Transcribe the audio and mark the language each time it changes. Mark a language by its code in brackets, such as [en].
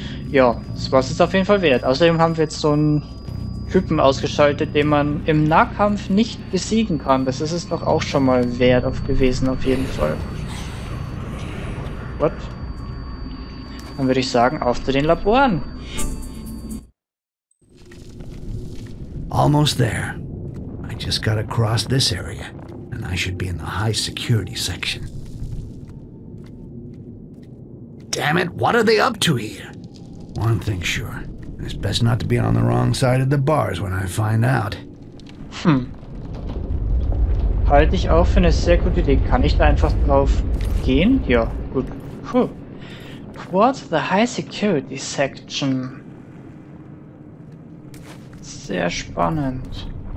[de] Ja, das ist auf jeden Fall wert. Außerdem haben wir jetzt so einen Typen ausgeschaltet, den man im Nahkampf nicht besiegen kann. Das ist es doch auch schon mal wert gewesen, auf jeden Fall. [en] What? [de] Dann würde ich sagen, auf zu den Laboren. [en] Almost there. I just got across this area, and I should be in the high security section. damn it, what are they up to here? One thing's sure. It's best not to be on the wrong side of the bars when I find out. Hm. [de] Halte ich auch für eine sehr gute Idee. Kann ich da einfach drauf gehen? Ja, gut. Puh. [en] Quad the High Security Section. [de] Sehr spannend.